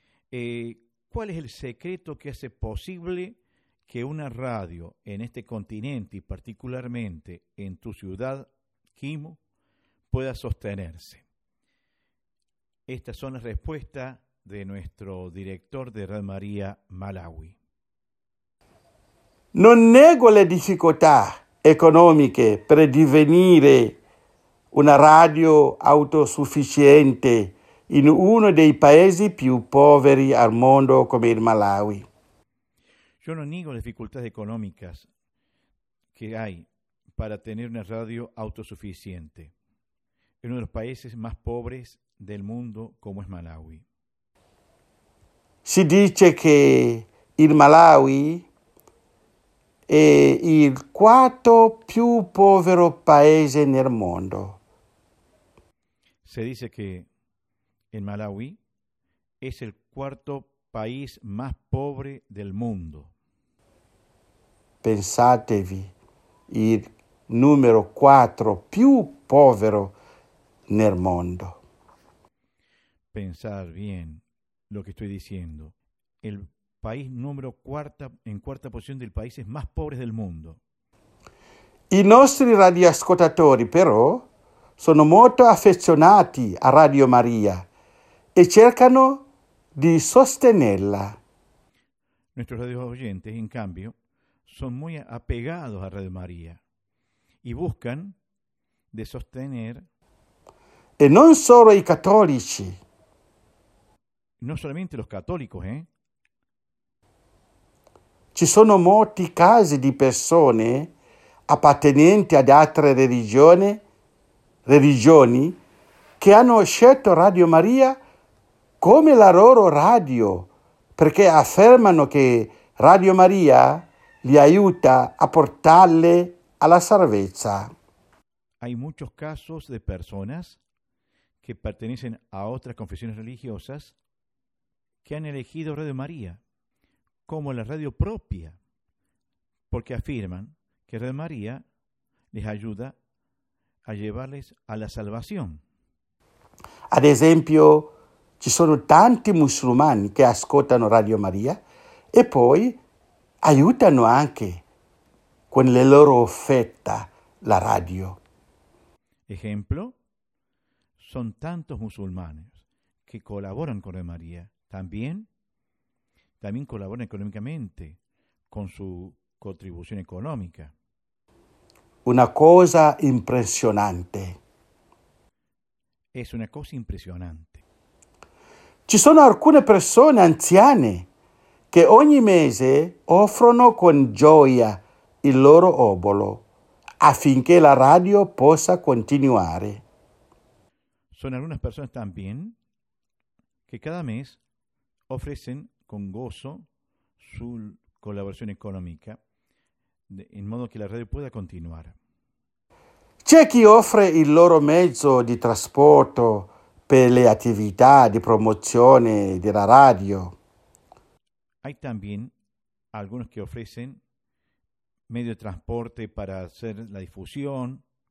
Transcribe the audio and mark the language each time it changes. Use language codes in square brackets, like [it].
[es] ¿Cuál es el secreto que hace posible que una radio en este continente y particularmente en tu ciudad, Kimu, pueda sostenerse? Estas son las respuestas de nuestro director de Radio María Malawi. [it] Non nego le difficoltà economiche per divenire una radio autosufficiente in uno dei paesi più poveri al mondo come il Malawi. [es] Yo no niego las dificultades económicas que hay para tener una radio autosuficiente en uno de los países más pobres del mundo como es Malawi. [it] Si dice che il Malawi è il quarto più povero paese nel mondo. [es] Se dice [it] che il Malawi è il quarto paese più povero del mondo. Pensatevi, il numero 4 più povero nel mondo. [es] Pensar bien lo que estoy diciendo. El país número cuarta, en cuarta posición de los países más pobres del mundo. [it] I nostri radioascoltatori, però, sono molto affezionati a Radio María e cercano di sostenerla. [es] Nuestros radio oyentes, en cambio, son muy apegados a Radio María y buscan de sostener. [it] E non solo i cattolici. [es] No solamente los católicos, ¿eh? [it] Ci sono molti casi di persone appartenenti ad altre religioni che hanno scelto Radio Maria come la loro radio perché affermano che Radio Maria li aiuta a portarle alla salvezza. [es] Hay muchos casos de personas que pertenecen a otras confesiones religiosas que han elegido Radio María como la radio propia, porque afirman que Radio María les ayuda a llevarles a la salvación. [it] Ad esempio, ci sono tanti musulmani che ascoltano Radio María e poi aiutano anche con le loro offerte la radio. [es] Ejemplo, son tantos musulmanes que colaboran con Radio María también colaboran económicamente con su contribución económica. [it] Una cosa impresionante. [es] Es una cosa impresionante. [it] Ci sono alcune persone anziane che ogni mese offrono con gioia il loro obolo affinché la radio possa continuare. [es] son algunas personas también que cada mes ofrecen con gozo su colaboración económica, en modo que la radio pueda continuar. [it] C'è chi offre il loro mezzo di trasporto per le attività di promozione della radio. [es] Hay también algunos que ofrecen medio de transporte para hacer la difusión.